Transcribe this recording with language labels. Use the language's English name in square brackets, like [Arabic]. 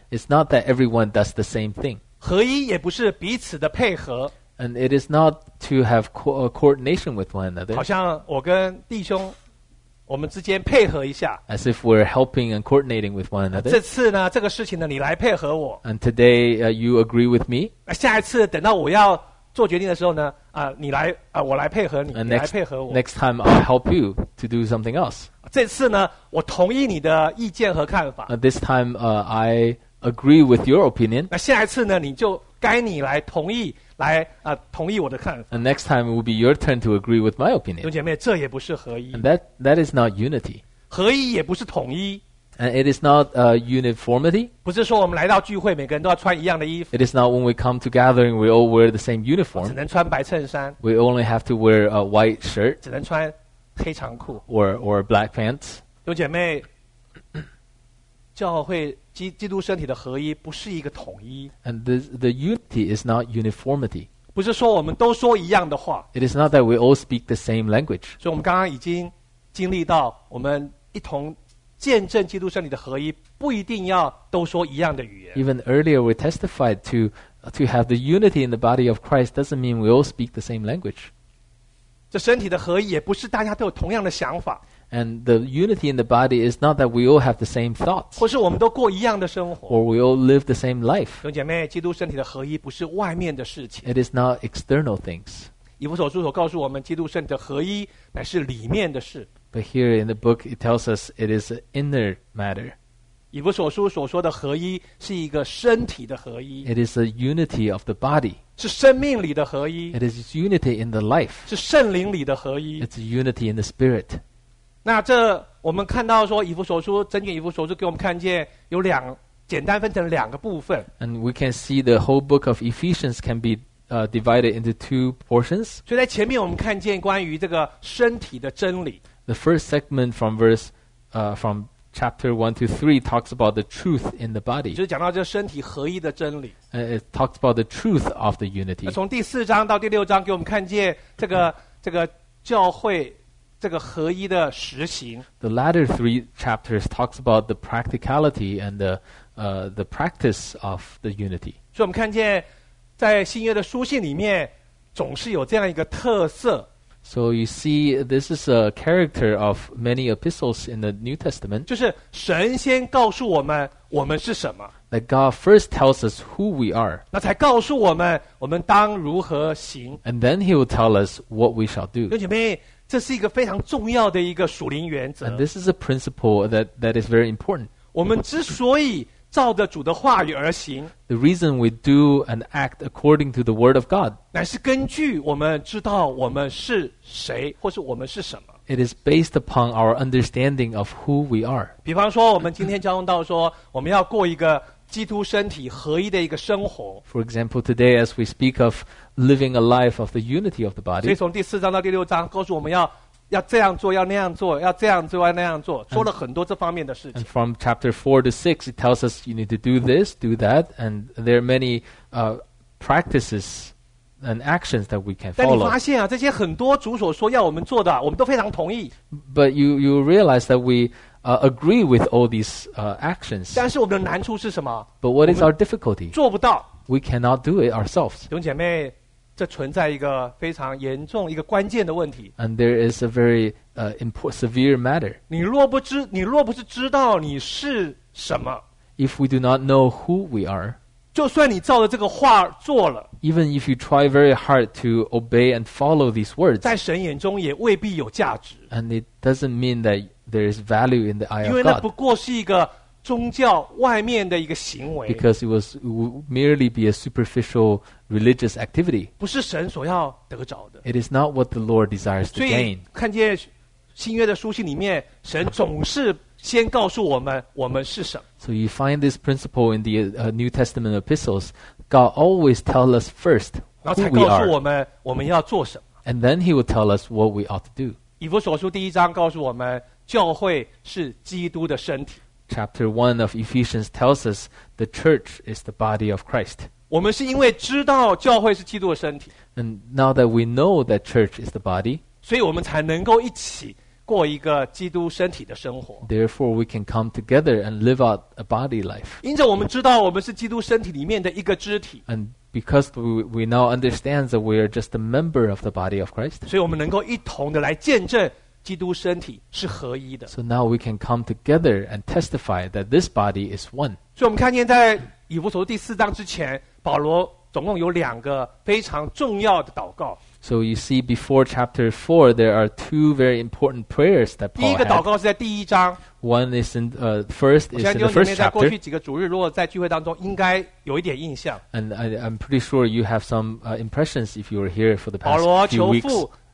[English] It's not that everyone does the same thing. [Chinese] 合一也不是彼此的配合。 [English] And it is not to have coordination with one another. [Chinese] 好像我跟弟兄我们之间配合一下。 [English] As if we're helping and coordinating with one another. [Chinese] 这次呢，这个事情呢，你来配合我。 [English] And today, you agree with me. [Chinese] 下一次等到我要做决定的时候呢，你来，我来配合你，你来配合我。 [English] Next time, I'll help you to do something else. [Chinese] 这次呢，我同意你的意见和看法。 [English] This time, I agree with your opinion. [Chinese] 那下一次呢，你就该你来同意。来同意我的看法。 [English] And next time it will be your turn to agree with my opinion. [Chinese] 弟兄姐妹，这也不是合一。 [English] And that is not unity. [Chinese] 合一也不是统一。 [English] And it is not uniformity. [Chinese] 不是说我们来到聚会，每个人都要穿一样的衣服。 [English] It is not when we come to gathering, we all wear the same uniform. [Chinese] 只能穿白衬衫。 [English] We only have to wear a white shirt. [Chinese] 只能穿黑长裤。 [English] Or black pants. [Chinese] 弟兄姐妹，教会基督身体的合一不是一个统一。 [English] And the unity is not uniformity. [Chinese] 不是说我们都说一样的话。 [English] It is not that we all speak the same language. [Chinese] 所以我们刚刚已经经历到，我们一同见证基督身体的合一，不一定要都说一样的语言。 [English] Even earlier we testified to have the unity in the body of Christ doesn't mean we all speak the same language. [Chinese] 这身体的合一也不是大家都有同样的想法。 [English] And the unity in the body is not that we all have the same thoughts. [Chinese] 或是我们都过一样的生活。 [English] Or we all live the same life. [Chinese] 兄姐妹，基督身体的合一不是外面的事情。 [English] It is not external things. [Chinese] 以弗所书所告诉我们，基督身体的合一乃是里面的事。 [English] But here in the book, it tells us it is an inner matter. [Chinese] 以弗所书所说的合一是一个身体的合一。 [English] It is a unity of the body. [Chinese] 是生命里的合一。 [English] It is unity in the life. [Chinese] 是圣灵里的合一。 [English] It's unity in the spirit. [Chinese] 那这我们看到说以弗所书整卷以弗所书给我们看见有两简单分成两个部分。 [English] And we can see the whole book of Ephesians can be divided into two portions. [Chinese] 所以在前面我们看见关于这个身体的真理。 [English] The first segment from verse from chapter 1 to 3 talks about the truth in the body. [Chinese] 就是讲到这身体合一的真理。 [English] It talks about the truth of the unity. [Chinese] 从第四章到第六章给我们看见这个教会这个合一的实行。 [English] The latter three chapters talks about the practicality and the practice of the unity. [Chinese] 所以我们看见在新约的书信里面总是有这样一个特色。 [English] So you see, this is a character of many epistles in the New Testament. [Chinese] 就是神先告诉我们我们是什么。 [English] That God first tells us who we are. [Chinese] 那才告诉我们我们当如何行。 [English] And then he will tell us what we shall do. [Chinese] 弟兄姐妹，这是一个非常重要的一个属灵原则。 [English] And this is a principle that is very important. [Chinese] 我们之所以照着主的话语而行， [English] The reason we do and act according to the word of God, [Chinese] 乃是根据我们知道我们是谁，或是我们是什么。 [English] It is based upon our understanding of who we are. [Chinese] 比方说，我们今天交通道说，我们要过一个基督身体合一的一个生活。 [English] For example, today as we speak of living a life of the unity of the body. [Chinese] 所以从第四章到第六章告诉我们要这样做，要那样做，要这样做，要那样做，说了很多这方面的事情。 [English] And from chapter 4 to 6, it tells us you need to do this, do that, and there are many practices and actions that we can follow. [Chinese] 但你发现啊，这些很多主所说要我们做的，我们都非常同意。 [English] But you realize that we agree with all these actions. [Chinese] 但是我们的难处是什么？ [English] But what is our difficulty? [Chinese] 做不到。 [English] We cannot do it ourselves. [Chinese] 弟兄姐妹，这存在一个非常严重、一个关键的问题。 [English] And there is a very important, severe matter. [Chinese] 你若不是知道你是什么 [English] ，If we do not know who we are, [Chinese] 就算你照着这个话做了 [English] ，Even if you try very hard to obey and follow these words, [Chinese] 在神眼中也未必有价值。 [English] And it doesn't mean that there is value in the eye of God. [Chinese] 因为那不过是一个宗教外面的一个行为。 [English] Because it would merely be a superficial religious activity. [Chinese] 不是神所要得着的。 [English] It is not what the Lord desires to gain. [Chinese] 所以看见新约的书信里面，神总是先告诉我们我们是什么。 [English] So you find this principle in the New Testament epistles. God always tells us first who we are. [Chinese] 然后才告诉我们我们要做什么。 [English] And then he will tell us what we ought to do. [Chinese] 以弗所书第一章告诉我们，教会是基督的身体。 [English] chapter 1 of Ephesians tells us the church is the body of Christ. [Chinese] 我们是因为知道教会是基督的身体, [English] and now that we know that church is the body, [Chinese] 所以我们才能够一起过一个基督身体的生活。 [English] Therefore, we can come together and live out a body life. [Chinese] 因着我们知道我们是基督身体里面的一个肢体, [English] and because we now understand that we are just a member of the body of Christ, [Chinese] 所以我们能够一同的来见证基督身体是合一的。 [English] So now we can come together and testify that this body is one. [Chinese] 所以我们看见在以弗所第四章之前, 保罗总共有两个非常重要的祷告。 [English] So you see before chapter 4, there are two very important prayers that Paul had. [Chinese] 第一个祷告是在第一章。 [English] One is in, first is in the first chapter. [Chinese] 我相信你们在过去几个主日如果在聚会当中应该有一点印象。 [English] And I'm pretty sure you have some impressions if you were here for the past few weeks.